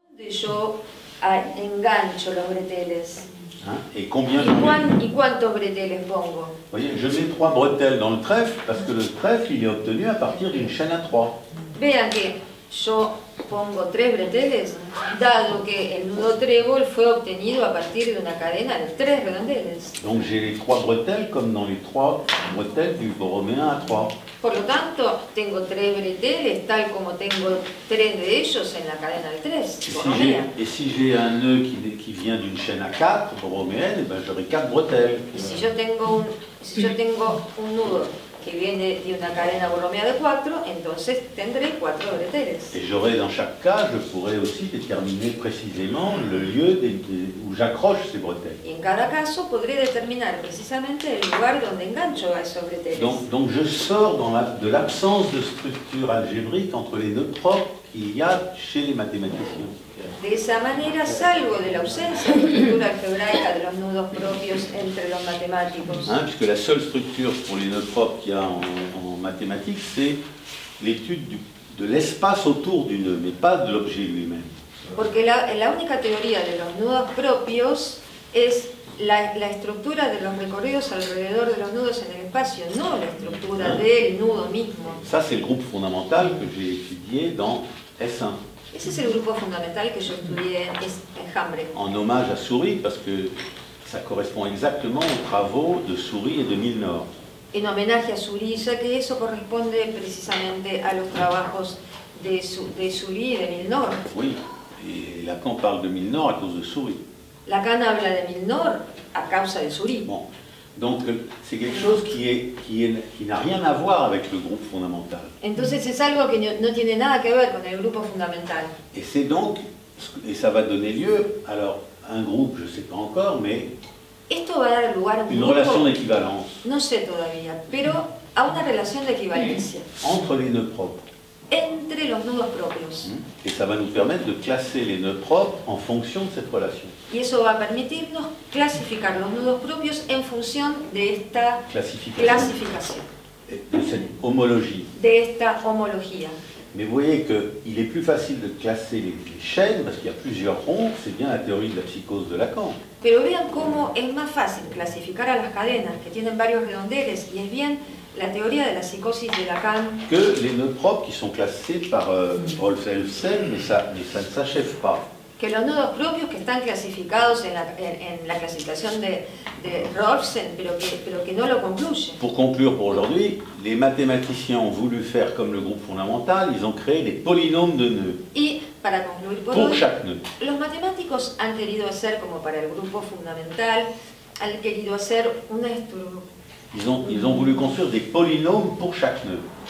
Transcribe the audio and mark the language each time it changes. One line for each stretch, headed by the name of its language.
Spanish: Yo engancho los breteles.
French: Et combien
Spanish: bretelles pongo?
French: Vous voyez, je mets trois bretelles dans le trèfle parce que le trèfle il est obtenu à partir d'une chaîne à trois.
Spanish: Vean que yo pongo tres bretelles, dado que el nudo trébol fue obtenido a partir de una cadena de tres redondeles.
French: Donc j'ai les trois bretelles comme dans les trois bretelles du Borromée 1 à 3.
Spanish: Por lo tanto, tengo tres bretelles tal como tengo tres de ellos en la cadena de tres.
French: Et si j'ai un nœud qui vient d'une chaîne à quatre borroméenne, ben j'aurai quatre bretelles.
Spanish: Si yo tengo un nudo que viene de una cadena borromea de 4, entonces tendré 4 breteles.
French: Et j'aurai dans chaque cas, je pourrai aussi déterminer précisément le lieu où j'accroche ces bretelles.
Spanish: Y en cada caso podré determinar precisamente el lugar donde engancho a esos breteles.
French: Donc je sors de l'absence de structure algébrique entre les nœuds propres qu'il y a chez les mathématiciens.
Spanish: De esa manera salgo de la ausencia de estructura algebraica de los nudos propios entre los matemáticos.
French: Puisque la seule structure pour les nœuds propres qu'il y a en mathématiques, c'est l'étude de l'espace autour du nœud, mais pas de l'objet lui-même.
Spanish: Porque la única teoría de los nudos propios es la estructura de los recorridos alrededor de los nudos en el espacio, no la estructura del nudo mismo.
French: Ça, c'est le groupe fondamental que j'ai étudié dans S1.
Spanish: Ese es el grupo fundamental que yo estudié en Hambre.
French: En hommage a Souris,
Spanish: porque
French: ça correspond exactement aux travaux de Souris et de Milnor.
Spanish: En homenaje a Souris, ya que eso corresponde precisamente a los trabajos de Souris y de Milnor.
French: Oui, et Lacan parle de Milnor à cause de Souris.
Spanish: Lacan habla de Milnor a causa de Souris.
French: Bon. Donc c'est quelque chose qui n'a rien à voir avec le groupe fondamental.
Spanish: Entonces es algo que no tiene nada que ver con el grupo fundamental.
French: Et c'est donc, et ça va donner lieu, alors un groupe, je ne sais pas encore, mais
Spanish: esto va a dar lugar a
French: une relation d'équivalence.
Spanish: No sé todavía, pero a una relación de equivalencia.
French: Entre les nœuds propres.
Spanish: Entre los nudos propios.
French: Et ça va nous permettre de classer les nœuds propres en fonction de cette relation.
Spanish: Y eso va a permitirnos clasificar los nudos propios en función de esta clasificación.
French: De cette homologie.
Spanish: De esta homología.
French: Mais vous voyez qu'il est plus facile de classer les chaînes parce qu'il y a plusieurs ronds, c'est bien la théorie de la psychose de Lacan.
Spanish: Pero vean cómo es más fácil clasificar a las cadenas que tienen varios redondeles y es bien la teoría de la psicosis de Lacan.
French: Que les nœuds propres qui sont classés par Rolf Elsen, mais ça ne s'achève pas.
Spanish: Que los nudos propios que están clasificados en la clasificación de Rolfsen, pero que no lo concluye.
French: Pour conclure pour aujourd'hui, les mathématiciens ont voulu faire comme le groupe fondamental, ils ont créé des polynômes de nœuds.
Spanish: Y para concluir
French: pour chaque nœud.
Spanish: Los matemáticos han querido hacer como para el grupo fundamental, han querido hacer una estructura.
French: Ils ont voulu construire des polynômes pour chaque nœud.